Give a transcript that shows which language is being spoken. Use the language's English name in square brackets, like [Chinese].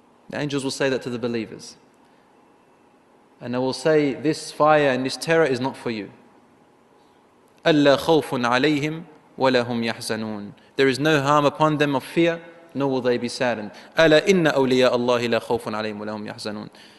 [English] The angels will say that to the believers, and they will say, "This fire and this terror is not for you." [Arabic] ألا خوف عليهم ولا هم يحزنون. [English] There is no harm upon them of fear, nor will they be saddened. [Arabic] ألا إن أولياء الله لا خوف عليهم ولا هم يحزنون.